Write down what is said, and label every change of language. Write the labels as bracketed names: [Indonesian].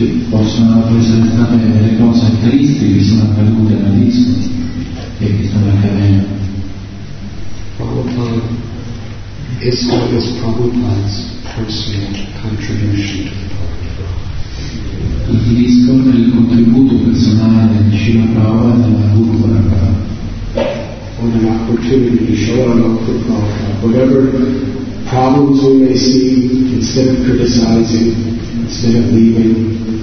[Italian] Possono rappresentare delle cose tristi che sono accadute a Disco e che stanno accadendo. [English] Prabhupada, ISKCON is Prabhupada's personal contribution to the party. [Italian] ISKCON è il contributo personale di Srila Prabhupada della Guru Parampara. [English] On an opportunity to show our love for Prabhupada. Whatever problems we may see, instead of criticizing, instead of leaving,